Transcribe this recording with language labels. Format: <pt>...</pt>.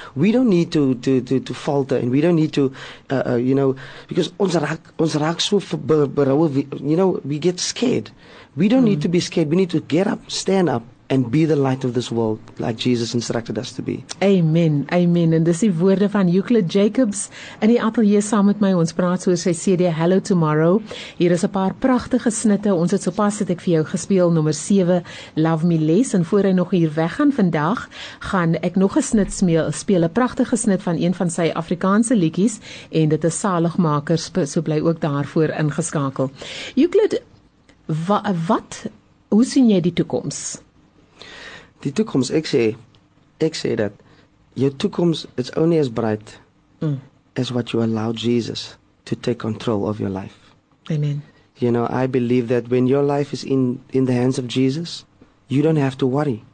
<en>We don't need to falter, and we don't need to, you know, because we get scared. We don't need to be scared. We need to get up, stand up, and be the light of this world like Jesus instructed us to be.</en> <af>Amen, amen. En dis die woorde van Euclid Jacobs in die ateljee saam met my. Ons praat oor sy CD Hello Tomorrow. Hier is 'n paar pragtige snitte. Ons het sopas het ek vir jou gespeel nommer 7 Love Me Less, en voor hy nog hier weggaan vandag, gaan ek nog 'n snit speel, 'n pragtige snit van een van sy Afrikaanse liedjies, en dit is Saligmaker, so bly ook daarvoor ingeskakel. Euclid, wat hoe sien jy die toekoms? Die toekoms, ek sê dat jou toekoms,</af> <en>it's only as bright as what you allow Jesus to take control of your life. Amen. You know, I believe that when your life is in the hands of Jesus, you don't have to worry.</en>